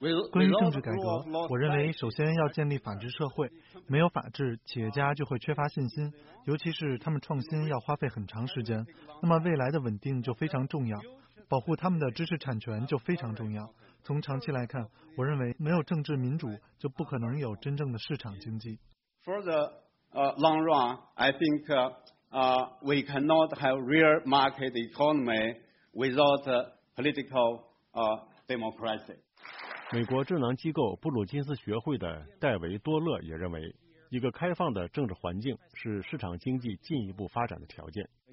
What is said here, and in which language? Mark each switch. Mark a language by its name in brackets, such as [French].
[Chinese] 关于政治改革，我认为首先要建立法治社会，没有法治，企业家就会缺乏信心，尤其是他们创新要花费很长时间，那么未来的稳定就非常重要，保护他们的知识产权就非常重要。从长期来看，我认为没有政治民主就不可能有真正的市场经济。 [English] For the long run, I think we cannot have real market economy without political democracy. [Chinese] 美国智囊机构布鲁金斯学会的戴维多勒也认为，一个开放的政治环境是市场经济进一步发展的条件。